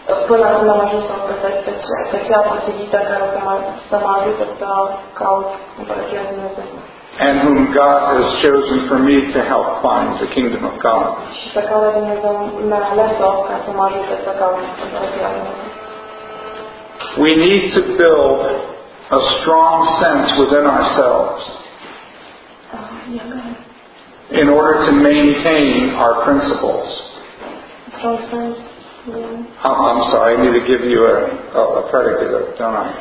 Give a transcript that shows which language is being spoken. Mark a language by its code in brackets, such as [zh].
[ro] Până acum am ajuns să împărtășesc pe cea potrivită care să mă ajute să caut împărăția lui Dumnezeu. [en] And whom God has chosen for me to help find the kingdom of God. [ro] Și pe care Dumnezeu mi-a ales-o ca să mă ajute să caut împărăția lui Dumnezeu. [en] We need to build a strong sense within ourselves in order to maintain our principles. Strong sense. I'm sorry, I need to give you a predicate, don't I?